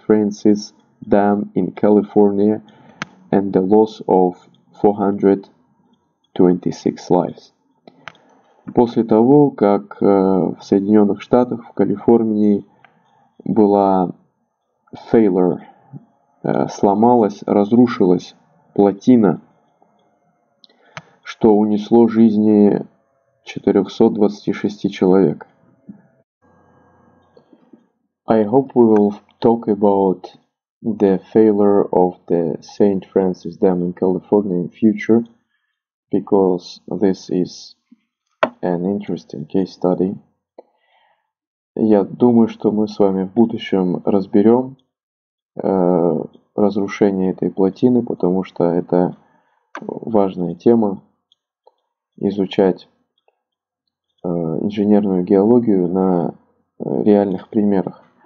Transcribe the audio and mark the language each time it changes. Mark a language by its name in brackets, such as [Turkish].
[English] Francis Dam in California and the loss of 426 lives. [Russian] После того, как в Соединенных Штатах, в Калифорнии, была failure, сломалась, разрушилась плотина, что унесло жизни 426 человек. [English] I hope we will talk about the failure of the St. Francis Dam in California in future, because this is an interesting case study. [Russian] Я думаю, что мы с вами в будущем разберем разрушение этой плотины, потому что это важная тема изучать. инженерную геологию на реальных примерах.